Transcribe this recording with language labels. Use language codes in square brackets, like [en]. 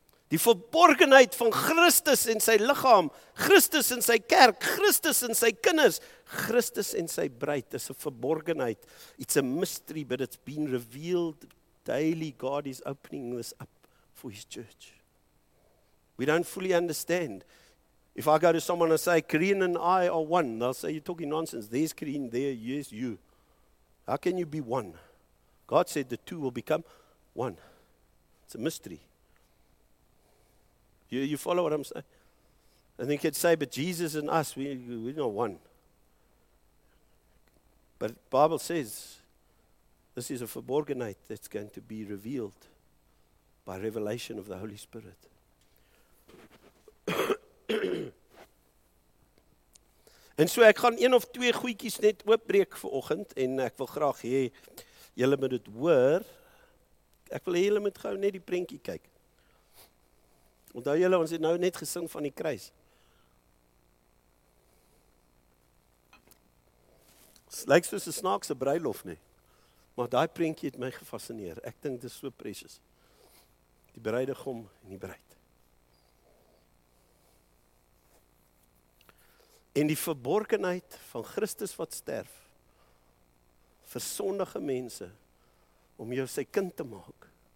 [af] Die verborgenheid van Christus en sy liggaam, Christus en sy kerk, Christus en sy kinders, Christus en sy bruid, is 'n verborgenheid. [en] It's a mystery, but it's been revealed daily. God is opening this up for his church. We don't fully understand. If I go to someone and say, Karine and I are one, they'll say, you're talking nonsense. There's Karine, there, yes, you. How can you be one? God said the two will become one. It's a mystery. You follow what I'm saying? And then you could say, but Jesus and us, we're not one. But the Bible says this is a verborgenheid that's going to be revealed by revelation of the Holy Spirit. [af] En so ek gaan een of twee goeitjies net oopbreek vanoggend, en ek wil graag hê julle moet dit hoor. Ek wil julle moet gou net die prentjie kyk. Onthou julle, ons het nou net gesing van die kruis. Het lyk soos 'n snaakse bruilof nie. Maar daai prentjie het my gefassineer. Ek dink dit is so precious. Die bruidegom en die bruid. En die verborgenheid van Christus wat sterf, vir sondige mense, om jou sy kind te maak.